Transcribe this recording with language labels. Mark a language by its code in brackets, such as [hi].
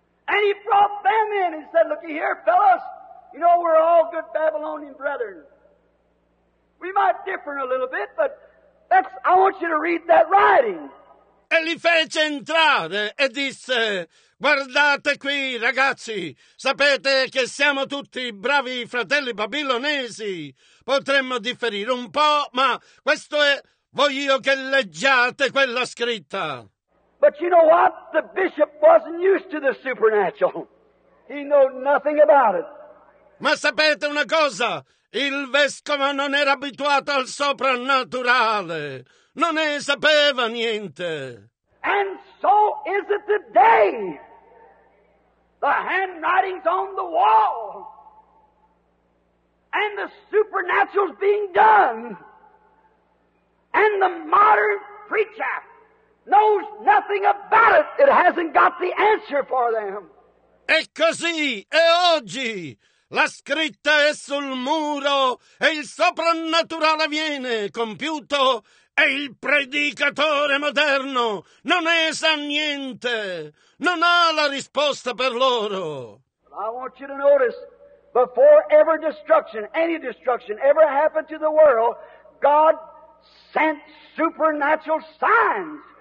[en] And he brought them in and said, "Looky here, fellas. You know we're all good Babylonian brethren. We might differ a little bit, but I want you to read that writing." [it] E li fece entrare e disse: "Guardate qui, ragazzi, sapete che siamo tutti bravi fratelli babilonesi. Potremmo differire un po', ma questo è, voglio che leggiate quella scritta." [en] But you know what? The bishop wasn't used to the supernatural. He knew nothing about it. [it] Ma sapete una cosa? Il vescovo non era abituato al soprannaturale. Non ne sapeva niente. [en] And so is it today. The handwriting's on the wall. And the supernatural's being done. And the modern preacher knows nothing about it. It hasn't got the answer for them. [it] E così è oggi. La scritta è sul muro e il soprannaturale viene compiuto e il predicatore moderno non ne sa niente, non ha la risposta per loro. [en] I want you to notice, before ever destruction, any destruction ever happened to the world, God sent supernatural signs.